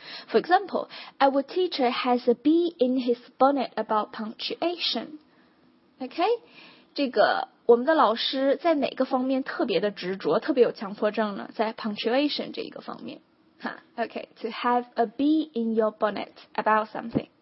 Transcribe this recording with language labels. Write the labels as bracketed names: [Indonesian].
[English] For example, our teacher has a bee in his bonnet about punctuation. [Chinese] OK， 这个我们的老师在哪个方面特别的执着，特别有强迫症呢？在 punctuation 这一个方面。 [English] OK, to have a bee in your bonnet about something.